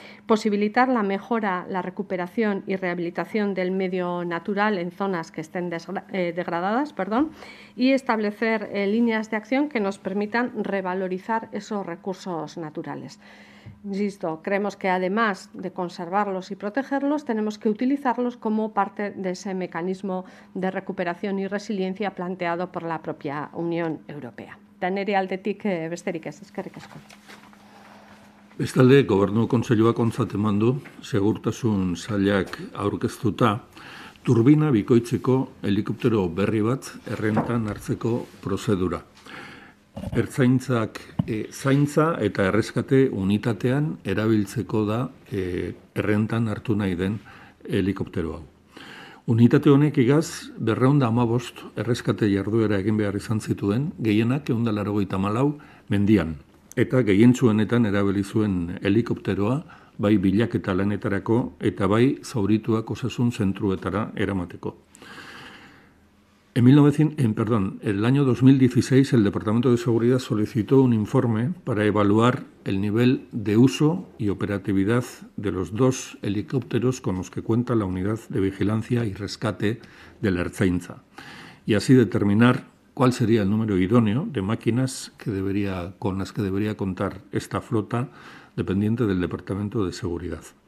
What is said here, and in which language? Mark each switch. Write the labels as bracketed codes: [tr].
[es] posibilitar la mejora, la recuperación y rehabilitación del medio natural en zonas que estén degradadas, y establecer líneas de acción que nos permitan revalorizar esos recursos naturales. Insisto, creemos que además de conservarlos y protegerlos, tenemos que utilizarlos como parte de ese mecanismo de recuperación y resiliencia planteado por la propia Unión Europea. [eu] Tenere aldetik besterik ez, eskerrik asko. Bestalde, gobernu kontseiluak ontzat eman du, segurtasun sailak aurkeztuta, turbina bikoitzeko helikoptero berri bat errentan hartzeko prozedura. Ertzaintzak zaintza eta erreskate unitatean erabiltzeko da errentan hartu nahi den helikoptero hau. Unitate honek igaz, 215 erreskate jarduera egin behar izan zituen, gehienak 184 mendian. Eta gehientzuenetan erabili zuen helikopteroa, bai bilaketa lanetarako eta bai zaurituak osasun zentruetara eramateko. [es] En el año 2016, el Departamento de Seguridad solicitó un informe para evaluar el nivel de uso y operatividad de los dos helicópteros con los que cuenta la Unidad de Vigilancia y Rescate de la Ertzaintza, y así determinar cuál sería el número idóneo de máquinas con las que debería contar esta flota dependiente del Departamento de Seguridad.